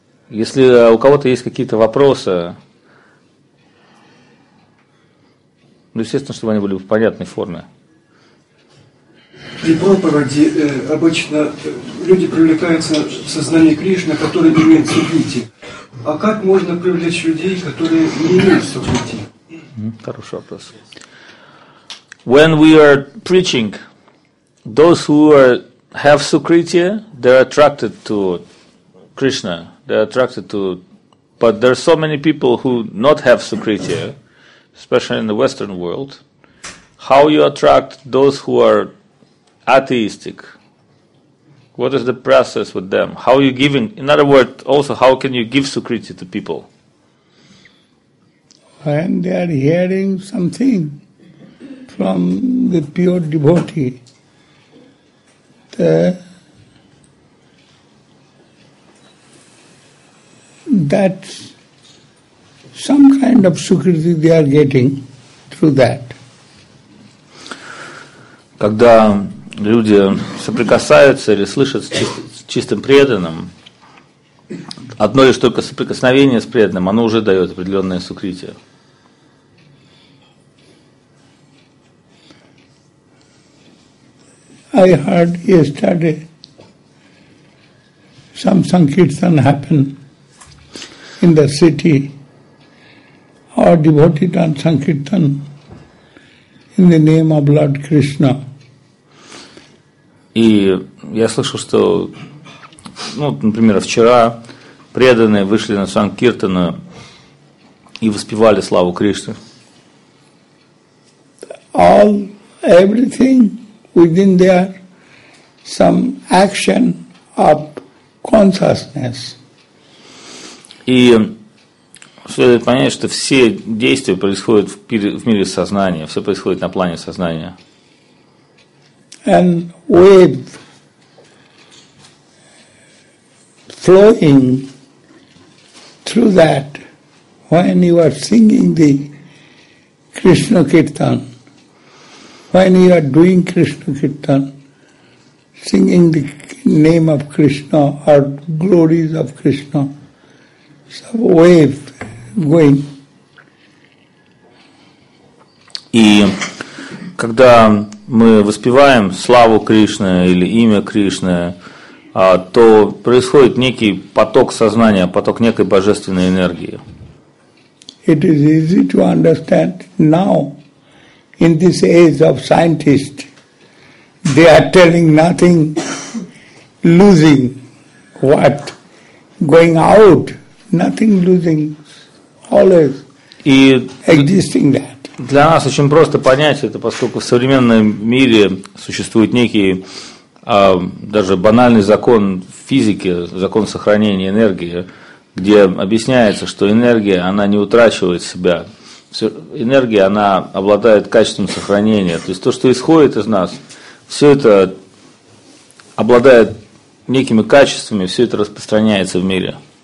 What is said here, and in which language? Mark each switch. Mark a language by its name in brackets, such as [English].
[Russian] Если у кого-то есть какие-то вопросы, ну, естественно, чтобы они были в понятной форме. При проповеди обычно люди привлекаются в сознание Кришны, которые не имеют сукрити. А как можно привлечь людей, которые не имеют сукрити? Хороший вопрос. [English] When we are preaching, those who are, have Sukriti, they're attracted to Krishna. They're attracted to... But there are so many people who not have Sukriti, especially in the Western world. How you attract those who are atheistic? What is the process with them? How are you giving... In other words, also, how can you give Sukriti to people? When they are hearing something from the pure devotee, that some kind of sukriti they are getting through that. [Russian] Когда люди соприкасаются или слышат с чистым преданным, одно лишь только соприкосновение с преданным, оно уже дает определенное сукрити. [English] I heard yesterday some sankirtan happened in the city. Our devotee done sankirtan in the name of Lord Krishna. [Russian] И я слышал, что в ну, например, вчера преданные вышли на Санкт-Киртана и воспевали славу Кришны. [English] All everything within there, some action of consciousness. [Russian] И следует понять, что все действия происходят в мире сознания, все происходит на плане сознания. [English] And wave flowing through that when you are singing the Krishna Kirtan, when you are doing Krishna Kirtan, singing the name of Krishna or glories of Krishna, some wave going. [Russian] И когда мы воспеваем славу Кришны или имя Кришны, то происходит некий поток сознания, поток некой божественной энергии. [English] It is easy to understand now in this age of scientists. They are telling nothing, losing what, going out, nothing losing, always existing that. [Russian] Для нас очень просто понять это, поскольку в современном мире существует некий даже банальный закон физики, закон сохранения энергии, где объясняется, что энергия, она не утрачивает себя. Энергия, она обладает качеством сохранения. То есть то, что исходит из нас, все это обладает некими качествами, все это распространяется в мире.